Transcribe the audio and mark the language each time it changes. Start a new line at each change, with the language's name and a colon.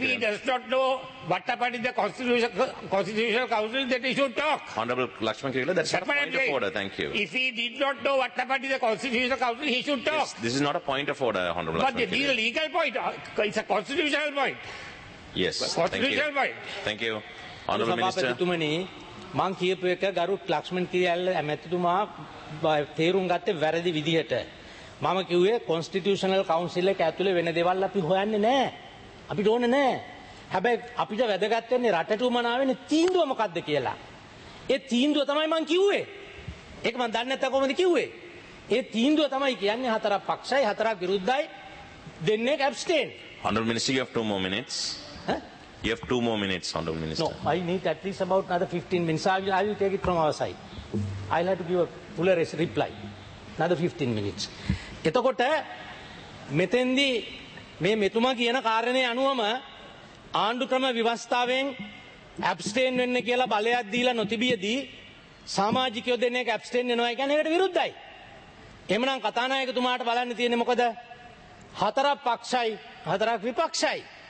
English: kiriyalla he does not know what happened in the constitutional council that he should talk honorable lakshman kiriyalla that's not a point of order thank you if he did not know what happened in the constitutional council he should talk this is not a point of order honorable but lakshman kiriyalla but the legal point it's a constitutional point yes constitutional thank you point. Thank you honorable minister
Sinhala: සභාපතිතුමනි මං කියපු එක ගරු ලක්ෂ්මන් කිරියල්ල ඇමැතිතුමා තේරුම් ගත්තේ වැරදි විදිහට. මම කිව්වේ කොන්ස්ටිටියුෂනල් කවුන්සිල් එක ඇතුලේ වෙන දේවල් අපි හොයන්නේ නැහැ. අපිට ඕනේ නැහැ. හැබැයි අපිට වැදගත් වෙන්නේ රටට උමනාවෙන තීන්දුව මොකක්ද කියලා. ඒ තීන්දුව තමයි මං කිව්වේ. ඒක මං දන්නේ නැත්නම් කොහොමද කිව්වේ? ඒ තීන්දුව තමයි කියන්නේ හතරක් පක්ෂයි හතරක් විරුද්ධයි දෙන්නේ ඇබ්ස්ටේන්.
English: Honorable minister you have 2 more minutes. Huh? You have 2 more minutes honorable minister. No, I need at least about another 15 minutes. I will take it from our side. I'll have to give a full reply. Another 15 minutes.
Sinhala: එතකොට මෙතෙන්දි මේ මෙතුමා කියන කාරණේ අනුවම ආණ්ඩුක්‍රම විවස්ථාවෙන් ඇබ්ස්ටේන් වෙන්න කියලා බලයක් දීලා නොතිබියදී සමාජිකයෝ දෙන්නේ ඇබ්ස්ටේන් වෙනවා කියන්නේ ඒකට විරුද්ධයි. එhmenan කතානායකතුමාට බලන්න තියෙන්නේ මොකද? හතරක් පක්ෂයි හතරක් විපක්ෂයි.